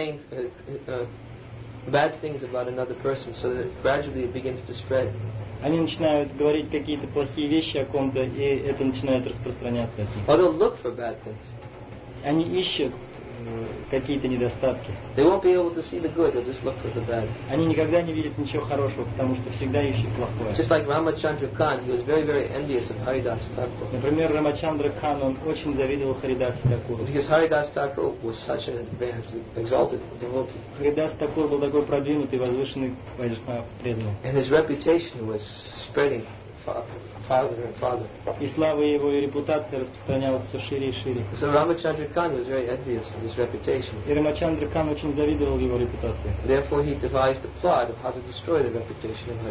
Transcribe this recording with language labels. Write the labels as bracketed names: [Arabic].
[English] They start saying bad things about another person so that gradually it begins to spread. [Russian] Они начинают говорить какие-то плохие вещи о ком-то, и это начинает распространяться. [English] Or they'll look for bad things. [Russian] Они ищут какие-то недостатки. [English] They won't be able to see the good, they'll just look for the bad. [Russian] Они никогда не видят ничего хорошего, потому что всегда ищут плохое. [English] Just like Ramachandra Khan, he was very, very envious of Haridas Thakur. [Russian] Например, Рамачандра Кан, он очень завидовал Харидасу Такуру. [English] Because Haridas Thakur was such an advanced, exalted devotee. [Russian] Харидас Такур был такой продвинутый, возвышенный преданный. [English] And his reputation was spreading father. [Russian] И слава его и репутация распространялась все шире и шире. [English] So Ramachandra Khan was very envious of his reputation. [Russian] И Рамачандра Кан очень завидовал его репутации. [English] Therefore he devised a plot of how to destroy the reputation of Hari.